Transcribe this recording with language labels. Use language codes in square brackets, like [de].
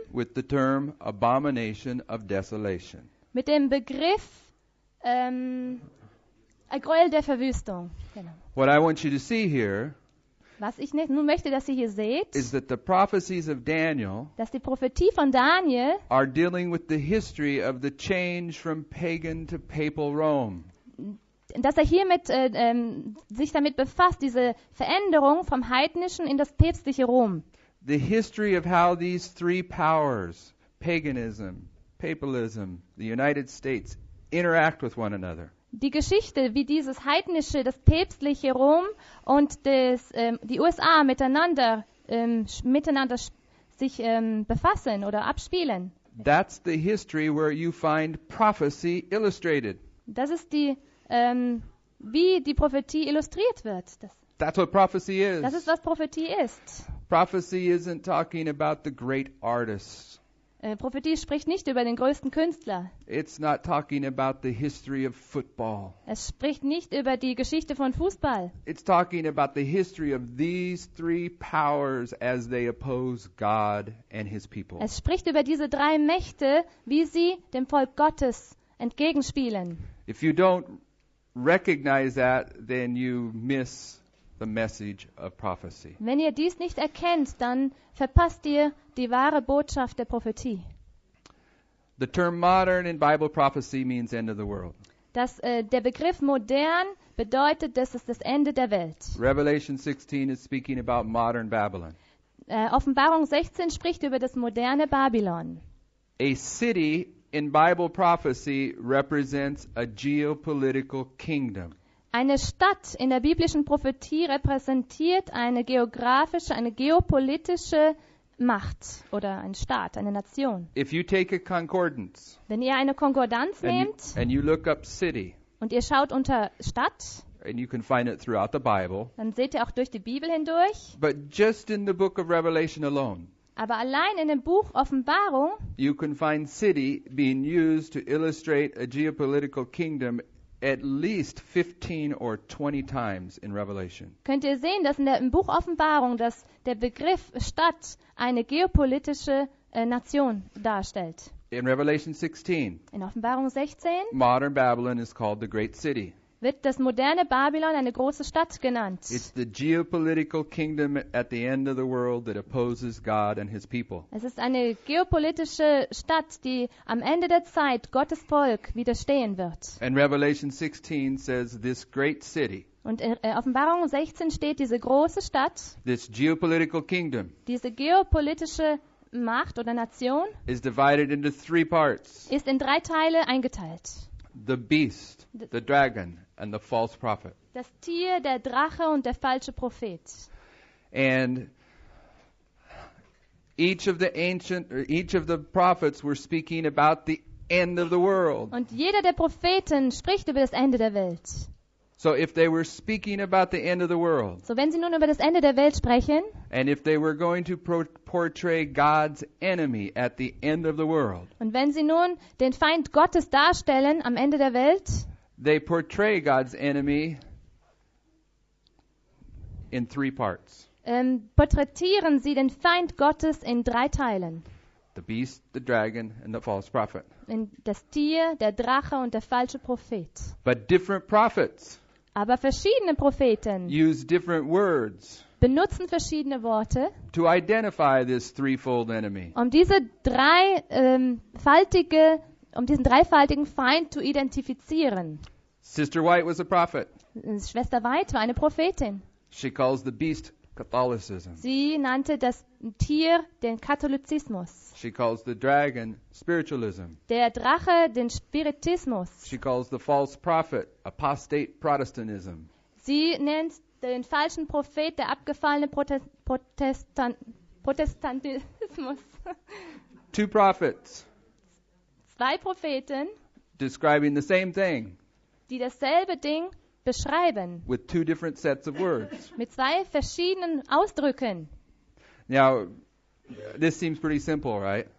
[en] with the term abomination of desolation, [de] mit dem Begriff Gräuel der Verwüstung. Genau. [en] What I want you to see here, [de] was ich nun möchte, dass ihr hier seht, [en] is that the prophecies of Daniel, [de] dass die Prophetie von Daniel, [en] are dealing with the history of the change from pagan to papal Rome. [de] Dass hier mit sich damit befasst, diese Veränderung vom heidnischen in das päpstliche Rom. [en] The history of how these three powers, paganism, papalism, the United States, interact with one another. [de] Die Geschichte, wie dieses heidnische, das päpstliche Rom und die USA miteinander sich befassen oder abspielen. [en] That's the history where you find prophecy illustrated. [de] Das ist die, wie die Prophetie illustriert wird. [en] That's what prophecy is. [de] Das ist, was Prophetie ist. [en] Prophecy isn't talking about the great artists. [de] Prophetie spricht nicht über den größten Künstler. [en] It's not talking about the history of football. [de] Es spricht nicht über die Geschichte von Fußball. [en] It's talking about the history of these three powers as they oppose God and his people. [de] Es spricht über diese drei Mächte, wie sie dem Volk Gottes entgegenspielen. [en] If you don't recognize that, then you miss the message of prophecy. [de] Wenn ihr dies nicht erkennt, dann verpasst ihr die wahre Botschaft der Prophetie. [en] The term modern in Bible prophecy means end of the world. [de] Das, der Begriff modern bedeutet, dass es das Ende der Welt. [en] Revelation 16 is speaking about modern Babylon. [de] Offenbarung 16 spricht über das moderne Babylon. [en] A city in Bible prophecy represents a geopolitical kingdom. [de] Eine Stadt in der biblischen Prophetie repräsentiert eine geografische, eine geopolitische Macht oder ein Staat, eine Nation. [en] If you take a concordance, [de] wenn ihr eine Konkordanz nehmt [en] and you look up city, [de] und ihr schaut unter Stadt, [en] and you can find it throughout the Bible, [de] dann seht ihr auch durch die Bibel hindurch, [en] but just in the book of Revelation alone, [de] aber allein in dem Buch Offenbarung, [en] you can find city being used to illustrate a geopolitical kingdom at least 15 or 20 times in Revelation. [de] Könnt ihr sehen, dass im Buch Offenbarung, dass der Begriff Stadt eine geopolitische Nation darstellt. [en] In Revelation 16. [de] In Offenbarung 16. [en] Modern Babylon is called the great city. [de] Wird das moderne Babylon eine große Stadt genannt. [en] It's the geopolitical kingdom at the end of the world that opposes God and his people. [de] Es ist eine geopolitische Stadt, die am Ende der Zeit Gottes Volk widerstehen wird. [en] And Revelation 16 says this great city. [de] Und in Offenbarung 16 steht diese große Stadt. [en] This geopolitical kingdom. [de] Diese geopolitische Macht oder Nation. [en] Is divided into three parts. [de] Ist in drei Teile eingeteilt. [en] The beast, the dragon and the false prophet. [de] Das Tier, der Drache und der falsche Prophet. [en] And each of the prophets were speaking about the end of the world. [de] Und jeder der Propheten spricht über das Ende der Welt. [en] So if they were speaking about the end of the world. [de] So wenn sie nun über das Ende der Welt sprechen. [en] And if they were going to portray God's enemy at the end of the world. [de] Und wenn sie nun den Feind Gottes darstellen am Ende der Welt. [en] They portray God's enemy in three parts. [de] Porträtieren sie den Feind Gottes in drei Teilen. [en] The beast, the dragon, and the false prophet. [de] In das Tier, der Drache und der falsche Prophet. [en] But different prophets. [de] Aber verschiedene Propheten. [en] Use different words. [de] Benutzen verschiedene Worte. [en] To identify this threefold enemy. [de] Um diese drei faltige um diesen dreifaltigen Feind zu identifizieren. [en] Sister White was a prophet. [de] Schwester White war eine Prophetin. [en] She calls the beast Catholicism. [de] Sie nannte das Tier den Katholizismus. [en] She calls the dragon Spiritualism. [de] Der Drache den Spiritismus. [en] She calls the false prophet apostate Protestantism. [de] Sie nennt den falschen Prophet der abgefallene Protestantismus. [en] Two prophets. [de] Zwei Propheten, [en] describing the same thing, [de] die dasselbe Ding beschreiben, [en] with two different sets of words, [de] mit zwei verschiedenen Ausdrücken. [en] Now, this seems pretty simple, right?